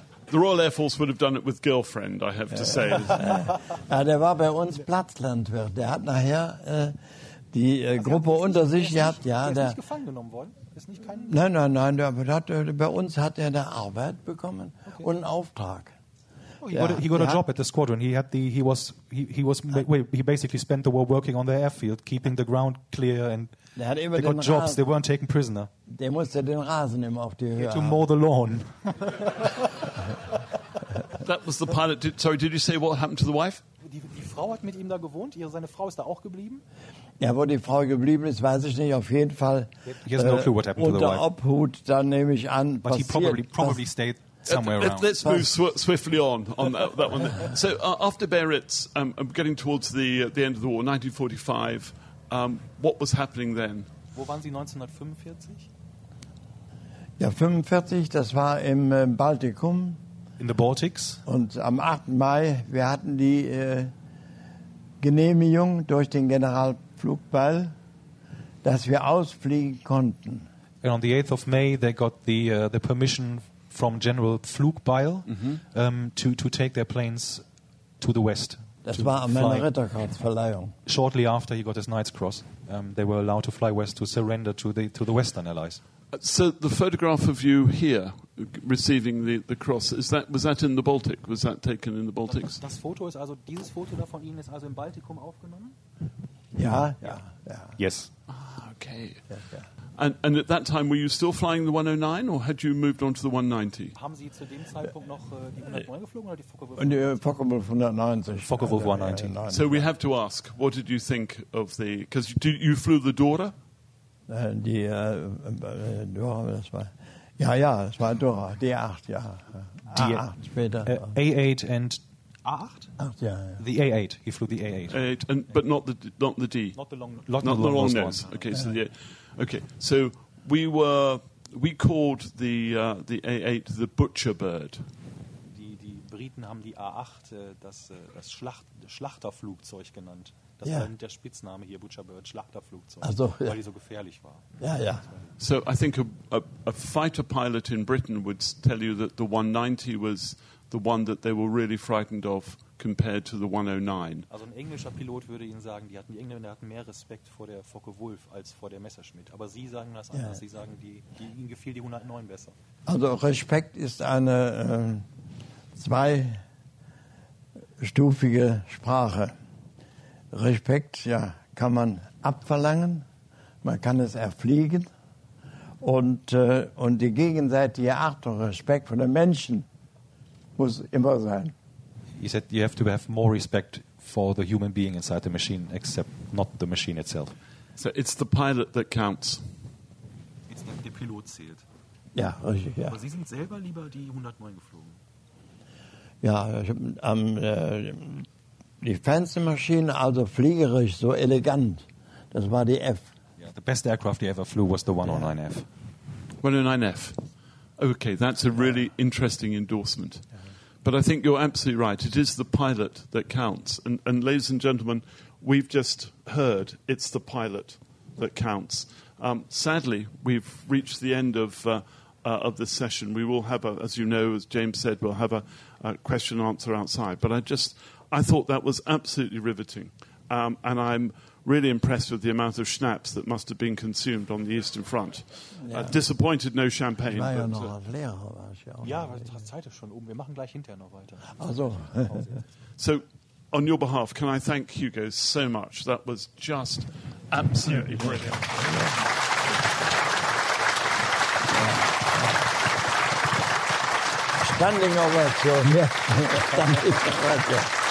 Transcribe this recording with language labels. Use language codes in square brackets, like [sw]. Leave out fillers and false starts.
[en] The Royal Air Force would have done it with girlfriend, I have to say. [de] Ja, der war bei uns Platzlandwirt. Der hat nachher die Gruppe unter sich gehabt. Ja, der ist nicht gefangen genommen worden? Ist nicht nein, bei uns hat er da Arbeit bekommen, okay, und einen Auftrag. [en] He got a job at the squadron. He basically spent the war working on the airfield, keeping the ground clear, and they got jobs. They weren't taken prisoner. [de] Der musste den Rasen immer auf die Höhe. [en] To mow the lawn. That was the pilot. Did you say what happened to the wife? [de] Die Frau hat mit ihm da gewohnt. Seine Frau ist da auch geblieben. Ja, wo die Frau geblieben ist, weiß ich nicht. Auf jeden Fall. [en] He has no clue what happened to the wife. [de] Unter Obhut, dann nehme ich an. [en] But passiert, he probably stayed somewhere around. Let's move swiftly on that one. So after Beritz, I'm getting towards the end of the war, 1945. What was happening then? [de] Wo waren Sie 1945? Ja, 45, das war im Baltikum. [en] In the Baltics. [de] Und am 8. Mai, wir hatten die Genehmigung durch den Generalflugball, dass wir ausfliegen konnten. [en] And on the 8th of May, they got the permission from General Flugbeil, to take their planes to the west. [de] Das war an meiner Ritterkreuzverleihung. [en] Shortly after he got his Knight's Cross, they were allowed to fly west to surrender to the Western Allies. So the photograph of you here receiving the cross, was that in the Baltic? Was that taken in the Baltics? [de] Das Foto ist also dieses Foto da von Ihnen ist also im Baltikum aufgenommen? Ja. [en] Yes. Ah, okay. Yeah. And at that time, were you still flying the 109, or had you moved on to the 190? [de] Haben Sie zu dem Zeitpunkt noch die 109 geflogen oder die Focke-Wulf 190? Focke-Wulf 190. [en] So we have to ask, what did you think of the... Because you flew the Dora? [de] Dora, das war... Ja, das war Dora, D8, ja. [en] D8, später. A8 and... A8? Yeah. The A8. He flew the A8. A8, and, but not the D? Not the long nose. Okay, yeah. So the A. Okay, so we called the A8 the butcher bird. [de] Die Briten haben die A8 das Schlachterflugzeug genannt. Das war der Spitzname hier, Butcher Bird, Schlachterflugzeug, weil die so gefährlich war. Ja, ja. [en] So I think a fighter pilot in Britain would tell you that the 190 was the one that they were really frightened of compared to the 109. [de] Also ein englischer Pilot würde Ihnen sagen, die Engländer hatten mehr Respekt vor der Focke Wulf als vor der Messerschmitt. Aber Sie sagen das anders. Sie sagen, Ihnen gefiel die 109 besser. Also Respekt ist eine zweistufige Sprache. Respekt, ja, kann man abverlangen, man kann es erfliegen und die gegenseitige Achtung, Respekt von den Menschen muss immer sein. [en] He said you have to have more respect for the human being inside the machine, except not the machine itself. So it's the pilot that counts. It's not the [de] Pilot zählt. Ja, richtig, ja. Aber Sie sind selber lieber die 109 geflogen. Ja, ich habe die Fenstermaschine, also fliegerisch, so elegant, das war die F. [en] Yeah, the best aircraft you ever flew was the 109F. 109F. Okay, that's a really interesting endorsement. But I think you're absolutely right. It is the pilot that counts. And ladies and gentlemen, we've just heard it's the pilot that counts. Sadly, we've reached the end of this session. We will have, as James said, we'll have a question and answer outside. But I thought that was absolutely riveting. And I'm really impressed with the amount of schnapps that must have been consumed on the Eastern Front. Yeah. Disappointed, no champagne. [de] Ich war ja noch als Lehrer, war ich ja auch. Ja, die Zeit ist schon oben. Wir machen gleich hinterher noch weiter. Also. [en] So, on your behalf, can I thank Hugo so much? That was just absolutely brilliant. Standing ovation. Standing ovation.